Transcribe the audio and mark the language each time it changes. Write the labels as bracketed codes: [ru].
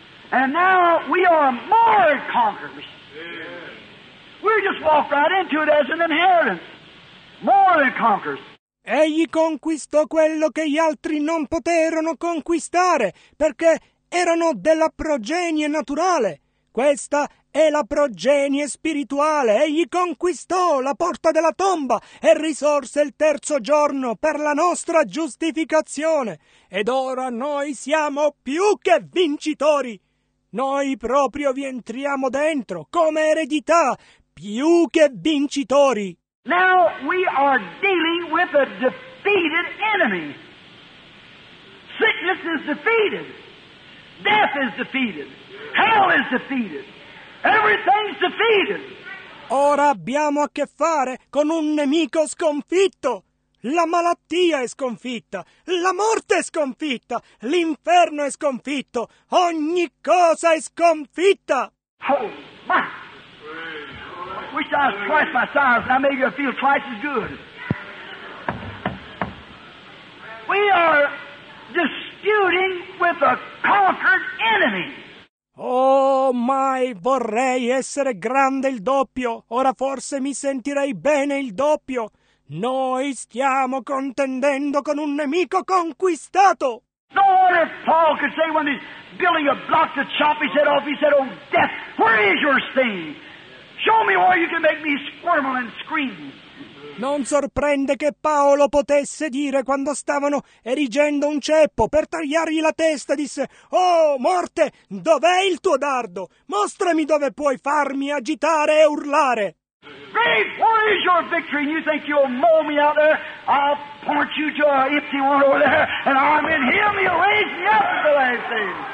[en] And now we are more conquerors. We just walk right into it as an inheritance. More than conquerors. [it] Egli conquistò quello che gli altri non poterono conquistare, perché erano della progenie naturale. Questa è la progenie spirituale. Egli conquistò la porta della tomba e risorse il terzo giorno per la nostra giustificazione. Ed ora noi siamo più che vincitori. Noi proprio vi entriamo dentro come eredità. Più che vincitori. [en] Now we are dealing with a defeated enemy. Sickness is defeated. Death is defeated. Hell is defeated. Everything's defeated. [it] Ora abbiamo a che fare con un nemico sconfitto. La malattia è sconfitta. La morte è sconfitta. L'inferno è sconfitto. Ogni cosa è sconfitta. Oh, ma. [en] Wish I was twice my size, and I made you feel twice as good. We are disputing with a conquered enemy. [it] Oh, mai vorrei essere grande il doppio. Ora forse mi sentirei bene il doppio. Noi stiamo contendendo con un nemico conquistato. [en] No wonder Paul could say when he's building a block to chop his head off, he said, oh, death, where is your sting? Show me where you can make me squirm and scream. [it] Non sorprende che Paolo potesse dire quando stavano erigendo un ceppo per tagliargli la testa, disse: oh, morte, dov'è il tuo dardo? Mostrami dove puoi farmi agitare e urlare. [en] Grave, where is your victory? And you think you'll mow me out there? I'll point you to an empty one over there, and I'm in him. He'll raise me up at the last day.